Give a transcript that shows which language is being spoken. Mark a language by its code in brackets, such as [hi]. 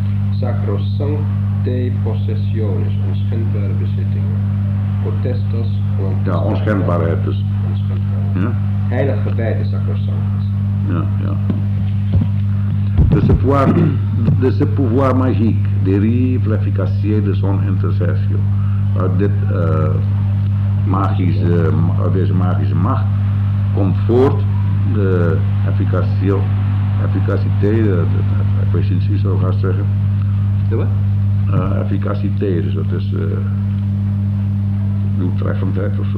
[la] Sacrosante possessiones, [nl] onschendbare bezittingen. Protestos, ja, onschendbaarheid dus. Onschendbaarheid. Ja? Heilig gewijde sacrosanct. Ja, ja. [fr] De ce pouvoir magique dérive l'efficacité de son intercession. [nl] Dit. Magische, deze magische macht komt voort de efficaciteit, ik weet niet hoe je het gaat zeggen. De wat? Efficaciteit, dus dat is doeltreffendheid ofzo.